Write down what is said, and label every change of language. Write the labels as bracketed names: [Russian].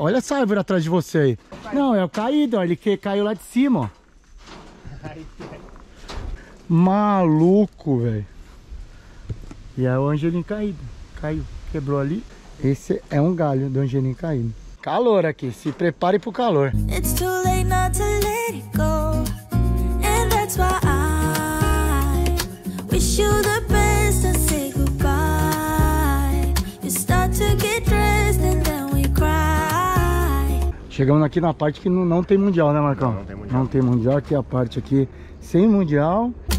[Portuguese] Olha essa árvore atrás de você aí. Não, é o caído. Ó. Ele que caiu lá de cima. Ó. Maluco, velho. E é o Angelim Caído. Caiu, quebrou ali. Esse é um galho do Angelim Caído. Calor aqui, se prepare pro calor. [English] It's too late not to let it go. And that's why I wish you the best and say goodbye. You start to get dressed and then we cry. [Portuguese] Chegamos aqui na parte que não tem mundial, né, Marcão? Não tem mundial. Não tem mundial, aqui a parte aqui sem mundial.